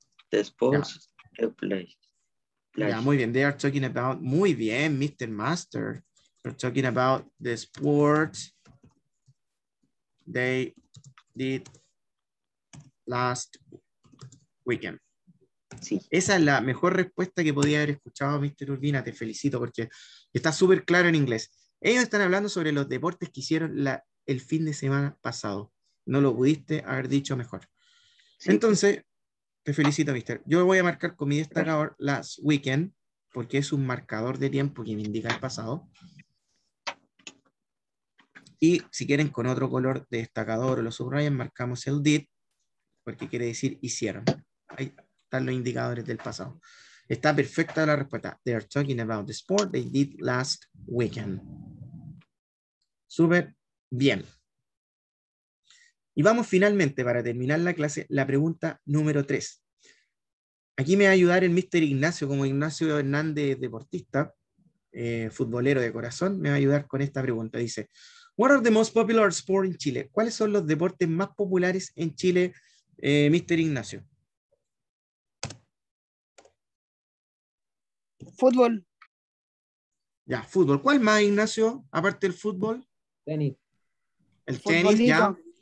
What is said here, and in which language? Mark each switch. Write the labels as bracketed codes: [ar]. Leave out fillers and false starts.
[en] The sports... Yeah. Play. Yeah, [es] muy bien, [en] they are talking about, muy bien, Mr. Master, they're talking about the sport they did last weekend. [es] Sí. Esa es la mejor respuesta que podía haber escuchado, Mr. Urbina, te felicito porque está súper claro en inglés. Ellos están hablando sobre los deportes que hicieron el fin de semana pasado. No lo pudiste haber dicho mejor. Sí. Entonces... Te felicito, mister. Yo voy a marcar con mi destacador [en] last weekend, [es] porque es un marcador de tiempo que me indica el pasado. Y si quieren con otro color de destacador o lo subrayan, marcamos el did, porque quiere decir hicieron. Ahí están los indicadores del pasado. Está perfecta la respuesta. [en] They are talking about the sport they did last weekend. [es] Súper bien. Y vamos finalmente, para terminar la clase, la pregunta número 3. Aquí me va a ayudar el Mr. Ignacio, como Ignacio Hernández, deportista, futbolero de corazón, me va a ayudar con esta pregunta. Dice, [en] what are the most popular sports in Chile? [es] ¿Cuáles son los deportes más populares en Chile, Mr. Ignacio? Fútbol. Ya, fútbol. ¿Cuál más, Ignacio, aparte del fútbol? Tenis. El tenis, ya.